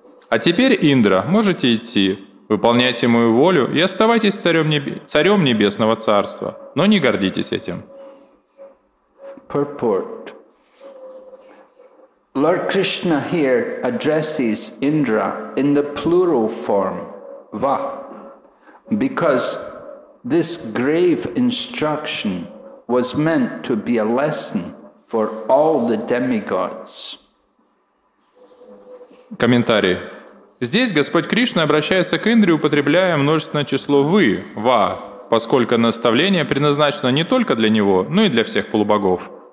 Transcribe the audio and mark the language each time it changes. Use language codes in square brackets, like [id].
[ru] А теперь, Индра, можете идти, выполняйте мою волю и оставайтесь царем Небесного Царства, но не гордитесь этим. [en] Purport. Lord Krishna here addresses Indra in the plural form, va, because this grave instruction was meant to be a lesson for all the demigods. [ru] Комментарий. Здесь Господь Кришна обращается к Индре, употребляя множественное число вы, va, поскольку наставление предназначено не только для него, но и для всех полубогов.